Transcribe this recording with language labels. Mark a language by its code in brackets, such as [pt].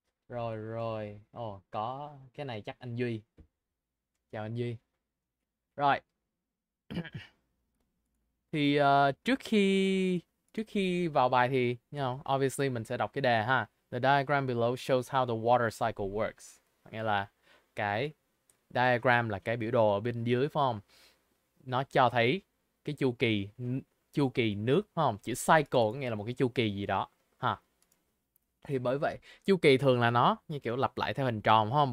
[vi] Rồi rồi, có cái này chắc anh Duy. Chào anh Duy. Rồi. Thì trước khi vào bài thì obviously mình sẽ đọc cái đề ha. [en] The diagram below shows how the water cycle works. [vi] Nghĩa là cái diagram là cái biểu đồ ở bên dưới phải không? Nó cho thấy cái chu kỳ nước phải không? Chữ cycle có nghĩa là một cái chu kỳ gì đó. Thì bởi vậy chu kỳ thường là nó như kiểu lặp lại theo hình tròn, không?